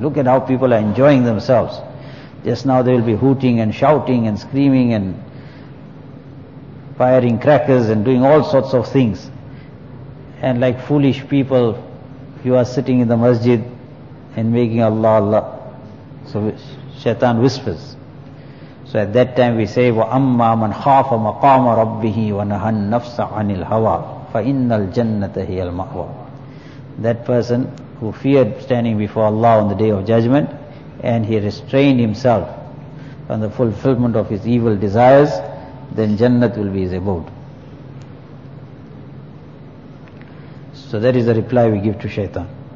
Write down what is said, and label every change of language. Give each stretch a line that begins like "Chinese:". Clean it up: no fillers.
English: Look at how people are enjoying themselves. Just now they will be hooting and shouting and screaming and firing crackers and doing all sorts of things. And like foolish people, you are sitting in the masjid and making Allah Allah. So shaitan whispers. So at that time we say,
Arabic: وَأَمَّا مَنْ خَافَ مَقَامَ رَبِّهِ وَنَهَا النَّفْسَ عَنِ الْهَوَىٰ فَإِنَّ الْجَنَّةَ هِيَ الْمَأْوَىٰ.
English: That person who feared standing before Allah on the day of judgment, and he restrained himself from the fulfillment of his evil desires, then Jannat will be his abode. So that is the reply we give to shaitan.